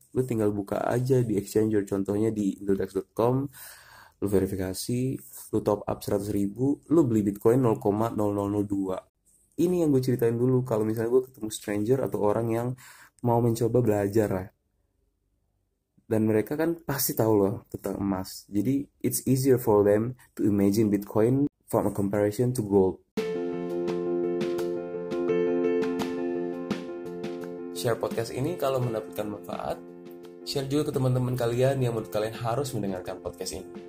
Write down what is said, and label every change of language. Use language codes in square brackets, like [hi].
[id] Lo tinggal buka aja di exchanger, contohnya di Indodax.com, lu verifikasi, lu top up 100.000, lu beli Bitcoin 0,0002. Ini yang gue ceritain dulu kalau misalnya gue ketemu stranger atau orang yang mau mencoba belajar. Dan mereka kan pasti tahu loh tentang emas. [en] Jadi it's easier for them to imagine Bitcoin from a comparison to gold. [id] Share podcast ini kalau mendapatkan manfaat. Share juga ke teman-teman kalian yang menurut kalian harus mendengarkan podcast ini.